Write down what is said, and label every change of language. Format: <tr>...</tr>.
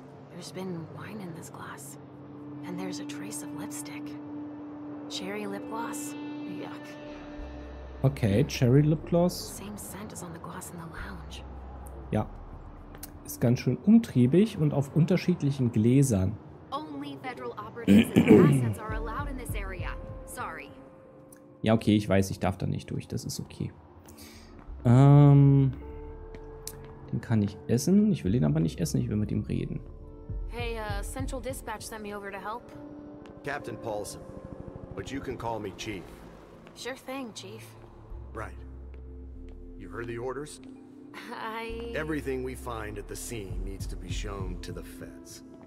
<en>There's been wine in this glass. And there's a trace of lipstick. Cherry lip gloss? Yuck. Okay, cherry lip gloss. Same scent as on the glass in the lounge.</en> <de>Ja. Ist ganz schön umtriebig und auf unterschiedlichen Gläsern.</de> <en>Only federal operatives are allowed in this area. Sorry.</en> <de>Ja, okay, ich weiß, ich darf da nicht durch. Das ist okay. Den kann ich essen. Ich will ihn aber nicht essen. Ich will mit ihm reden.</de> <en>Hey, Central Dispatch sent me over to help. Captain Paulson. But you can call me Chief. Sure thing, Chief. Right. You heard the orders? I... Everything we find at the scene needs to be shown to the feds.</en>